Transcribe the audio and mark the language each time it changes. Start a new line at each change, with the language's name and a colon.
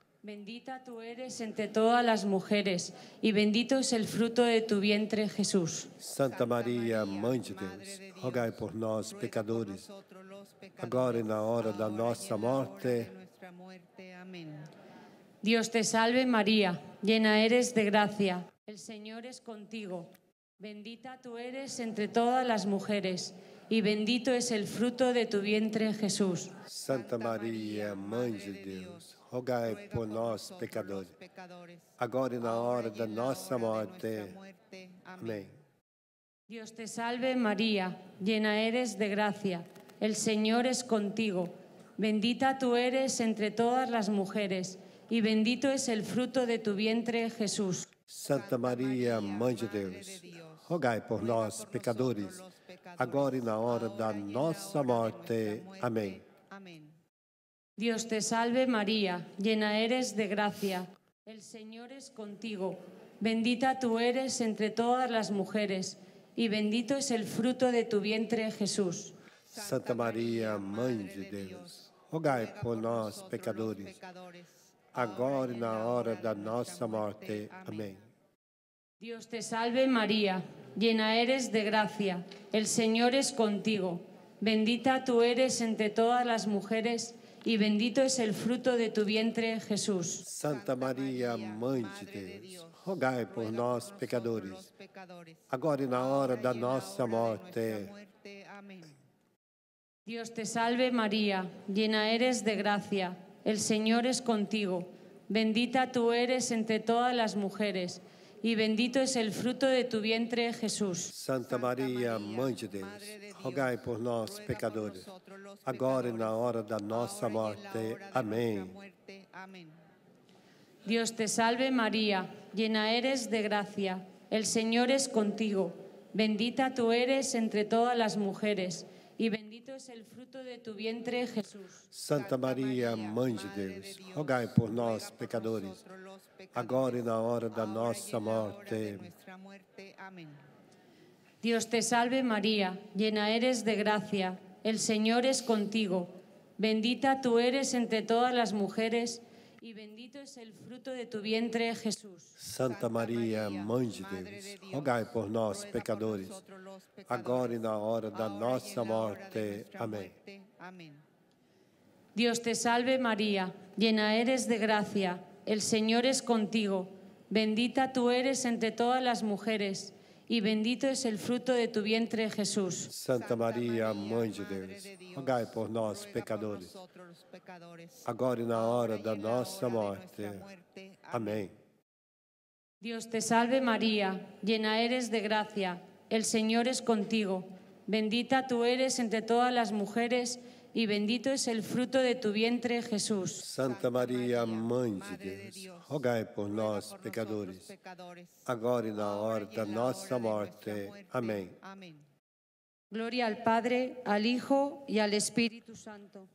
Spanish: Bendita tú eres entre todas las mujeres y bendito es el fruto de tu vientre, Jesús.
Portuguese: Santa María, Mãe de Deus, rogai por nós, pecadores, agora e na hora da nossa morte. Amém.
Spanish: Dios te salve, María, llena eres de gracia. El Señor es contigo. Bendita tú eres entre todas las mujeres y bendito es el fruto de tu vientre, Jesús.
Portuguese: Santa María, Mãe de Deus, rogai por nós, pecadores, agora e na hora da nossa morte. Amém. Deus te salve,
Spanish: Maria, llena eres de gracia. El Señor es contigo. Bendita tú eres entre todas las mujeres, y bendito es el fruto de tu vientre, Jesús.
Portuguese: Santa Maria, Mãe de Deus, rogai por nós, pecadores, agora e na hora da nossa morte. Amém.
Spanish: Dios te salve, María, llena eres de gracia. El Señor es contigo. Bendita tú eres entre todas las mujeres y bendito es el fruto de tu vientre, Jesús.
Portuguese: Santa María, Mãe de Deus, rogai por nós, pecadores, agora y na hora da nossa morte. Amém.
Spanish: Dios te salve, María, llena eres de gracia. El Señor es contigo. Bendita tú eres entre todas las mujeres y bendito es el fruto de tu vientre, Jesús.
Portuguese: Santa María, Mãe de Deus, rogai por nós, pecadores, agora e na hora da nossa morte. Amém.
Spanish: Dios te salve, María, llena eres de gracia. El Señor es contigo. Bendita tú eres entre todas las mujeres y bendito es el fruto de tu vientre, Jesús.
Portuguese: Santa María, Mãe de Deus, rogai por nós, pecadores, agora e na hora da nossa morte. Amém.
Spanish: Dios te salve, María, llena eres de gracia. El Señor es contigo. Bendita tú eres entre todas las mujeres y bendito es el fruto de tu vientre, Jesús.
Portuguese: Santa María, Mãe de Deus, rogai por nós, pecadores, agora e na hora da nossa morte. Amém.
Spanish: Dios te salve, María, llena eres de gracia. El Señor es contigo. Bendita tú eres entre todas las mujeres y bendito es el fruto de tu vientre, Jesús.
Portuguese: Santa María, Mãe de Deus, rogai por nós, pecadores, agora e na hora da nossa morte. Amém.
Spanish: Dios te salve, María, llena eres de gracia. El Señor es contigo. Bendita tú eres entre todas las mujeres y bendito es el fruto de tu vientre, Jesús.
Portuguese: Santa María, Mãe de Deus, rogai por nós, pecadores, agora y na hora da nossa morte. Amém.
Spanish: Dios te salve, María, llena eres de gracia. El Señor es contigo. Bendita tú eres entre todas las mujeres y bendito es el fruto de tu vientre, Jesús.
Portuguese: Santa María, Mãe de Deus, rogai por nós, pecadores, agora e na hora da nossa morte. Amém. Glória ao Padre, ao Filho e ao Espírito Santo.